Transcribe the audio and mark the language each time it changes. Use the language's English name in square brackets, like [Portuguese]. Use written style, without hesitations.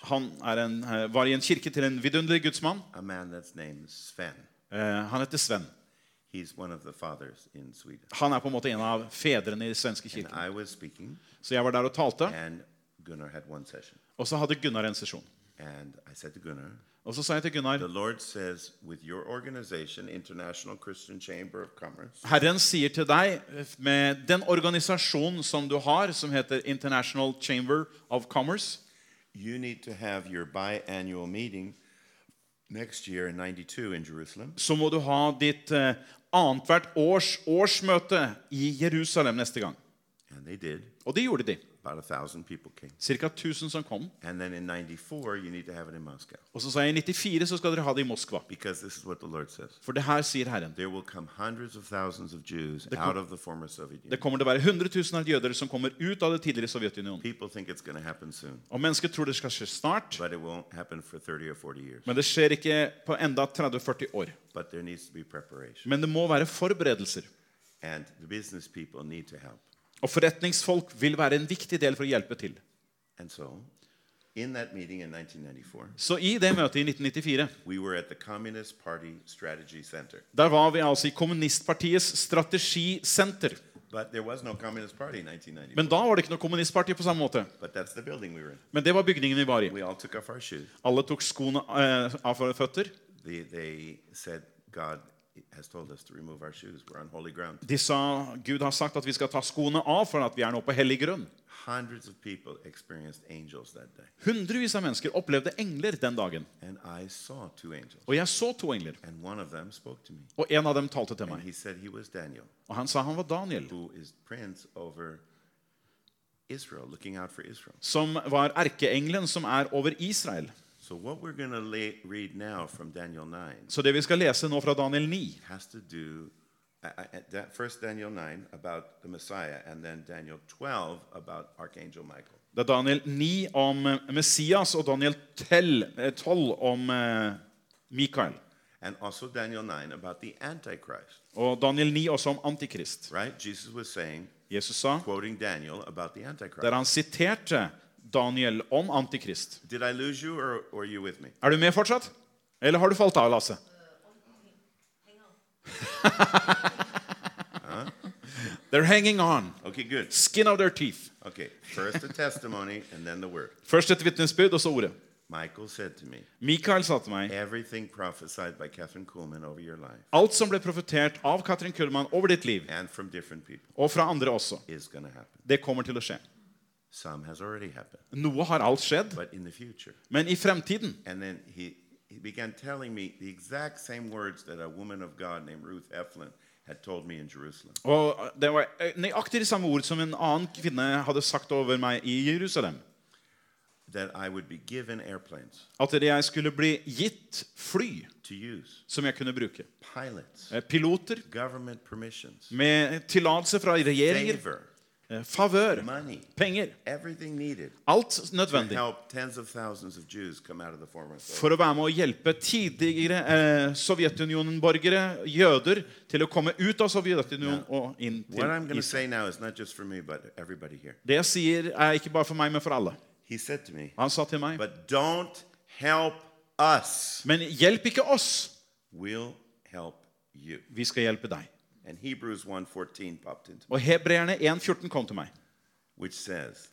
[Swedish] Han en, var I en kyrka till en vidunderlig Guds man. [English] A man that's named Sven. [Swedish] Han heter Sven. [English] He's one of the fathers in Sweden. [Norwegian] Han på en måte en av fedrene I den svenske kirken. [English] And I was speaking. [Swedish] Så jag var där och talte. [English] And Gunnar had one session. [Swedish] Och så hade Gunnar en session. [English] And I said to Gunnar. [Swedish] Och så sa jag till Gunnar. [English] The Lord says with your organization, International Christian Chamber of Commerce. [Swedish] Herren säger till dig med den organisation som du har som heter International Chamber of Commerce. [English] You need to have your biannual meeting. Next year in 92 in Jerusalem. [Norwegian] Så må du ha ditt antvert årsmøte I Jerusalem neste gang. [English] And they did. [Norwegian] Og det gjorde de. [English] About 1,000 people came. [Swedish] Cirka 1,000 som kom. [English] And then in 94 you need to have it in Moscow. [Norwegian] Og så sa jeg I 94 så skal dere ha det I Moskva. [English] Because this is what the Lord says. [Norwegian] For det her sier Herren. [English] There will come hundreds of thousands of Jews out of the former Soviet Union. [Norwegian] Det kommer til å være 100,000 jøder som kommer ut av det tidligere Sovjetunionen. [English] People think it's going to happen soon. [Norwegian] Og mennesker tror det skal skje snart. [English] But it won't happen for 30 or 40 years. [Norwegian] Men det skjer ikke på enda 30-40 år. [English] But there needs to be preparation. [Norwegian] Men det må være forberedelser. [English] And the business people need to help. [Swedish] Och förrättningsfolk vill vara en viktig del för att hjälpa till. [English] And so, in that meeting in 1994. [Swedish] Så I det mötet I 1994. [English] We were at the Communist Party Strategy Center. [Swedish] Där var vi alltså I kommunistpartiets strategicenter. [English] But there was no Communist Party in 1994. [Swedish] Men då var det inte något kommunistparti på samma måte. [English] But that's the building we were in. [Swedish] Men det var byggningen vi var I. [English] We all took off our shoes. [Swedish] Alla tog skorna av våra fötter. [English] They said God has told us to remove our shoes. We're on holy ground. [Swedish] De sa, Gud har sagt att vi ska ta skorna av för att vi är nu på helig grund. [English] Hundreds of people experienced angels that day. [Swedish] Hundrevis av människor upplevde änglar den dagen. [English] And I saw two angels. [Swedish] Och jag såg två änglar. [English] And one of them spoke to me. [Swedish] Och en av dem talade till mig. [English] And he said he was Daniel. [Swedish] Och han sa han var Daniel. [English] Who is prince over Israel, looking out for Israel. [Swedish] Som var ärkeängeln som är över Israel. [English] So what we're going to read now from Daniel 9. [Swedish] Så det vi ska läsa nu från Daniel 9 [English] has to do first Daniel 9 about the Messiah and then Daniel 12 about Archangel Michael. [Swedish] Det Daniel 9 om Messias och Daniel 12 om Mikael. [English] And also Daniel 9 about the Antichrist. [Swedish] Och Daniel 9 också om antikrist. [English] Right? Jesus was saying, [Swedish] Jesus sa, [English] quoting Daniel about the Antichrist. [Swedish] Där han citerade Daniel om antikrist. [English] Did I lose you or are you with me? [Swedish] Är du med fortsatt? Eller har du fallit av Lasse? [English] They're hanging on. Okay, good. Skin of their teeth. Okay. First a testimony and then the word. [Swedish] Först ett vittnesbud och så ordet. [English] Michael said to me. [Swedish] Mikael sa till mig. [English] Everything prophesied by Catherine Kuhlman over your life. [Swedish] Allt som blev profeterat av Catherine Kuhlman över ditt liv. [English] And from different people. [Swedish] Och från andra också. [English] Is going to happen. [Swedish] Det kommer till att ske. [English] Some has already happened. [Norwegian] Noe har alt skjedd. [English] But in the future. [Norwegian] Men I fremtiden. [English] And then he began telling me the exact same words that a woman of God named Ruth Eflin had told me in Jerusalem. [Norwegian] Og det var nøyaktig de samme ord som en annen kvinne hadde sagt over meg I Jerusalem. [English] That I would be given airplanes. [Norwegian] At jeg skulle bli gitt fly. [English] To use. [Norwegian] Som jeg kunne bruke. [English] Pilots. [Norwegian] Piloter. [English] Government permissions. [Norwegian] Med tillatelse fra regjeringer. [English] Favor. [Norwegian] Favor, [English] money, [Swedish] pengar, [English] everything needed. [Swedish] Allt nödvändigt. [English] Help tens of thousands of Jews come out of the former Soviet. [Swedish] För att vara med och hjälpa tidigare Sovjetunionen borgare, jöder till att komma ut av Sovjetunionen och in till [English] What I'm going to say now is not just for me but everybody here. [Swedish] Det jag säger är inte bara för mig men för alla. [English] He said to me. [Swedish] Han sa till mig. [English] But don't help us. [Swedish] Men hjälp inte oss. [English] We'll help you. [Swedish] Vi ska hjälpa dig. [English] And Hebrews 1:14 popped into me. [Swedish] Och Hebreerne 1:14 kom till mig. [English] Which says,